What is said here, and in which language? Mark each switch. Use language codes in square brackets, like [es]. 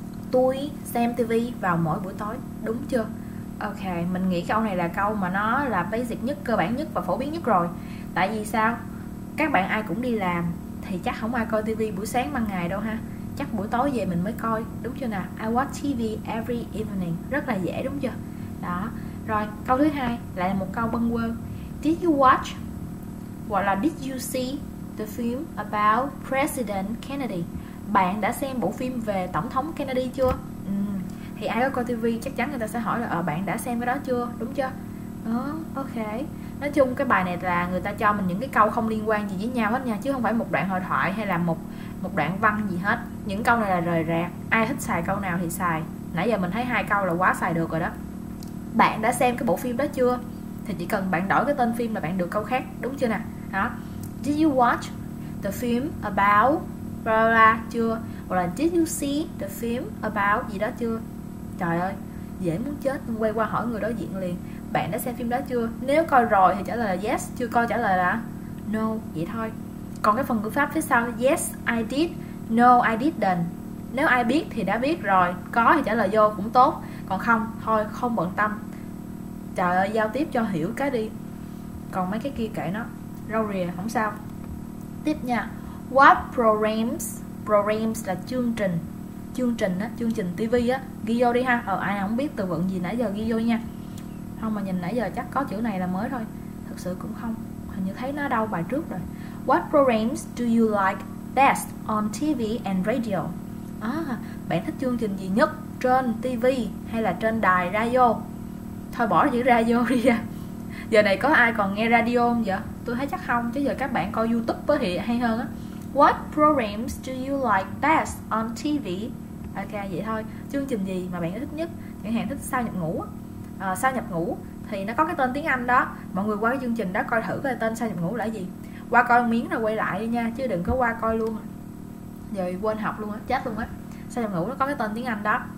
[vi] Tôi xem TV vào mỗi buổi tối, đúng chưa? Ok, mình nghĩ câu này là câu mà nó là basic nhất, cơ bản nhất và phổ biến nhất rồi. Tại vì sao? Các bạn ai cũng đi làm thì chắc không ai coi TV buổi sáng ban ngày đâu ha. Chắc buổi tối về mình mới coi, đúng chưa nào? [en] I watch TV every evening. [vi] Rất là dễ đúng chưa? Đó. Rồi, câu thứ hai lại là một câu bâng quơ. [en] Did you watch, [vi] hoặc là [en] did you see the film about President Kennedy? [vi] Bạn đã xem bộ phim về Tổng thống Kennedy chưa? Thì ai có coi TV chắc chắn người ta sẽ hỏi là bạn đã xem cái đó chưa, đúng chưa? Ok. Nói chung cái bài này là người ta cho mình những cái câu không liên quan gì với nhau hết nha, chứ không phải một đoạn hội thoại hay là một một đoạn văn gì hết. Những câu này là rời rạc, ai thích xài câu nào thì xài. Nãy giờ mình thấy hai câu là quá xài được rồi đó. Bạn đã xem cái bộ phim đó chưa? Thì chỉ cần bạn đổi cái tên phim là bạn được câu khác, đúng chưa nè? Đó. [en] Did you watch the film about Rara chưa? [vi] Hoặc là [en] did you see the film about [vi] gì đó chưa? Trời ơi, dễ muốn chết, quay qua hỏi người đối diện liền. Bạn đã xem phim đó chưa? Nếu coi rồi thì trả lời là yes, chưa coi trả lời là no, vậy thôi. Còn cái phần ngữ pháp phía sau, [en] yes I did, no I didn't. [vi] Nếu ai biết thì đã biết rồi, có thì trả lời vô cũng tốt, còn không thôi không bận tâm. Trời ơi, giao tiếp cho hiểu cái đi. Còn mấy cái kia kệ nó, rau rìa không sao. Tiếp nha. [en] What programs, programs [vi] là chương trình á, chương trình tivi á, ghi vô đi ha. Ai không biết từ vựng gì nãy giờ ghi vô nha. Không mà nhìn nãy giờ chắc có chữ này là mới thôi. Thật sự cũng không, hình như thấy nó đâu bài trước rồi. [en] What programs do you like best on TV and radio? [vi] À, bạn thích chương trình gì nhất trên TV hay là trên đài radio? Thôi bỏ chữ radio đi nha. Giờ này có ai còn nghe radio không vậy? Tôi thấy chắc không, chứ giờ các bạn coi YouTube với thì hay hơn á. [en] What programs do you like best on TV? [vi] Ok, vậy thôi. Chương trình gì mà bạn thích nhất? Chẳng hạn thích sao nhập ngũ á. À, sao nhập ngũ thì nó có cái tên tiếng Anh đó. Mọi người qua cái chương trình đó coi thử cái tên sao nhập ngũ là gì. Qua coi miếng rồi quay lại đi nha, chứ đừng có qua coi luôn. Giờ quên học luôn á, chết luôn á. Sao nhập ngũ nó có cái tên tiếng Anh đó.